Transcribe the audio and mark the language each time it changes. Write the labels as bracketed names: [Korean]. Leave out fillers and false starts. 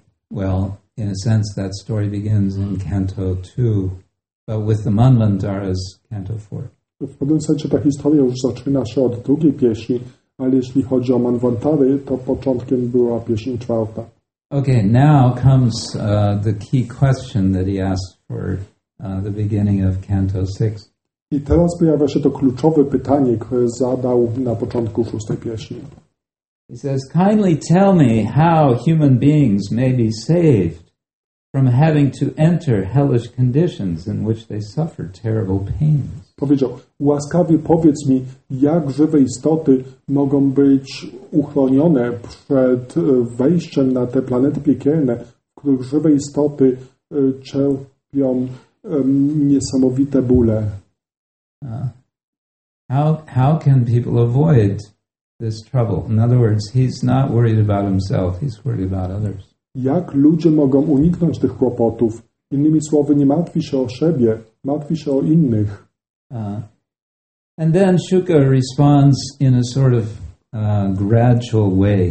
[English] Well, in a sense, that story begins in canto 2, but with the Manvantaras, canto 4. [Polish] W pewnym sensie ta historia już zaczyna się od drugiej pieśni, ale jeśli chodzi o Manvantary, to początkiem była pieśń czwarta. [English] Okay, now comes the key question that he asked for the beginning of canto 6. [Polish] I teraz pojawia się to kluczowe pytanie, które zadał na początku szóstej pieśni. [English] He says, kindly tell me how human beings may be saved from having to enter hellish conditions in which they suffer terrible pains. [Polish] Powiedział, łaskawie powiedz mi, jak żywe istoty mogą być uchronione przed wejściem na te planety piekielne, w których żywe istoty cierpią niesamowite bóle. [English] How can people avoid this trouble? In other words, he's not worried about himself, he's worried about others. [Polish] Jak ludzie mogą uniknąć tych kłopotów? Innymi słowy, nie martwi się o siebie, martwi się o innych. [English] And then Shuka responds in a sort of gradual way.